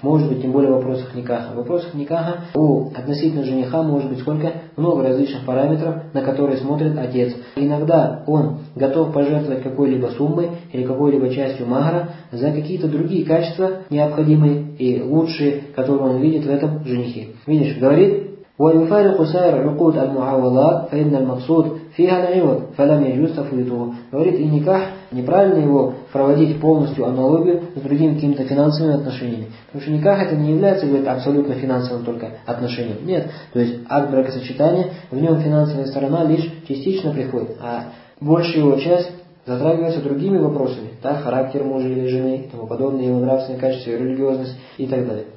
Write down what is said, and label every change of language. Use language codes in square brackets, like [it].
[ru] Может быть, тем более в вопросах никаха. В вопросах никаха у относительно жениха может быть сколько? Много различных параметров, на которые смотрит отец. Иногда он готов пожертвовать какой-либо суммой или какой-либо частью махра за какие-то другие качества, необходимые и лучшие, которые он видит в этом женихе. Видишь, говорит, [ar] وَيُفَارِقُ سَائِرَ عُقُودَ الْمُعَوَلَاتِ فَإِنَّ الْمَقْصُودَ فِيهَا الْعِوَضُ فَلَمْ يَجُزْتَ فُيُتُهُ. [ru] Говорит, и никак неправильно его проводить полностью аналогию с другими какими-то финансовыми отношениями. Потому что никак это не является, говорит, абсолютно финансовым только отношением. Нет, то есть акт бракосочетания, в нем финансовая сторона лишь частично приходит, а большая его часть затрагивается другими вопросами, да, характер мужа или жены, тому подобное, его нравственные качества, религиозность и так далее.